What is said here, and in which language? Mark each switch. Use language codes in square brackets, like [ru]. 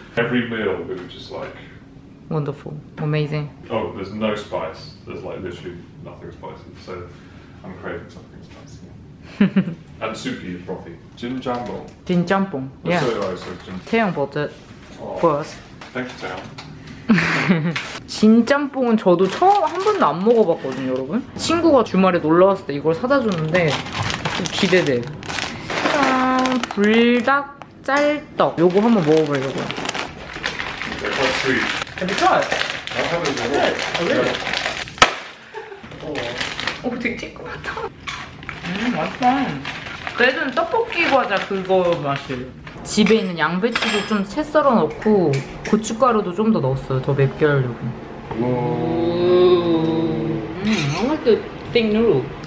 [en] Every meal we were just like wonderful, amazing. Oh, there's no spice. There's like literally nothing spicy. So I'm craving something spicy. And soupy and frothy. Jinjambong. Jinjambong. Yeah. Taeyong bought it for us. Thank you, Taeyong. [ko] 진짬뽕은 저도 처음 한 번도 안 먹어봤거든요, 여러분. 친구가 주말에 놀러 왔을 때 이걸 사다 줬는데 좀 기대돼. 불닭 짤떡 요거 한번 먹어보려고요. [en] Have you tried? I haven't. [ko] 오, 되게 찔끔하다. 맛있다. 그래도 떡볶이 과자 그거 맛이에요. 집에 있는 양배추도 좀 채 썰어 넣고 고춧가루도 좀 더 넣었어요. 더 맵게 하려고. [en] 오. I like the thick noodle.